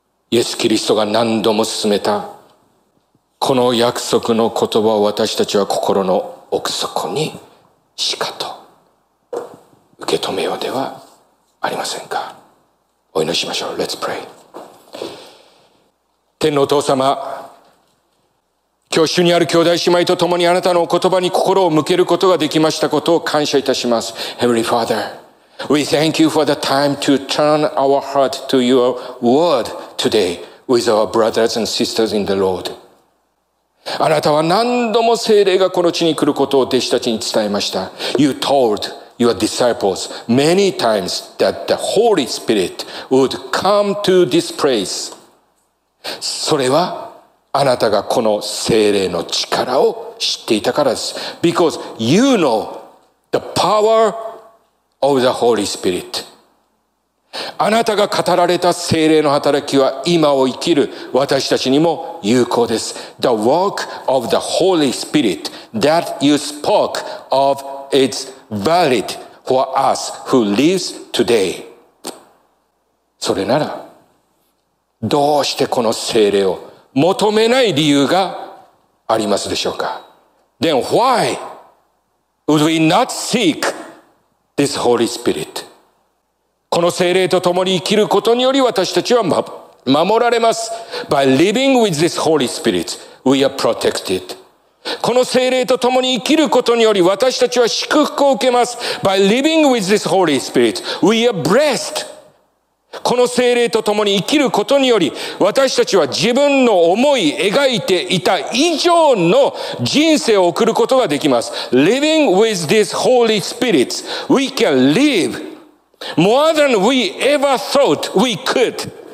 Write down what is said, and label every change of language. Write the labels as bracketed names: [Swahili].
[Japanese] イエス・キリストが何度も勧めたこの約束の言葉を私たちは心の奥底にしかと受け止めようではありませんか。お祈りしましょう。 [English] Let's pray。 [Japanese] 天のお父様、今日主にある兄弟姉妹と共にあなたのお言葉に心を向けることができましたことを感謝いたします。 [English] Heavenly Father, we thank you for the time to turn our heart to your word today with our brothers and sisters in the Lord。 [Japanese] あなたは何度も聖霊がこの地に来ることを弟子たちに伝えました。 [English] You told your disciples many times that the Holy Spirit would come to this place。 [Japanese] それはあなたがこの聖霊の力を知っていたからです。 [English] Because you know the power of the Holy Spirit。 [Japanese] あなたが語られた聖霊の働きは今を生きる私たちにも有効です。 [English] The work of the Holy Spirit that you spoke of is valid for us who lives today. [Japanese] それなら、どうしてこの聖霊を求めない理由がありますでしょうか。 [English] Then why would we not seek this Holy Spirit? [Japanese] この聖霊と共に生きることにより私たちは守られます。 [English] By living with this Holy Spirit, we are protected. [Japanese] この聖霊と共に生きることにより私たちは祝福を受けます。 [English] By living with this Holy Spirit, we are blessed. [Japanese] この聖霊と共に生きることにより私たちは自分の思い描いていた以上の人生を送ることができます。 [English] Living with this Holy Spirit, we can live more than we ever thought we could.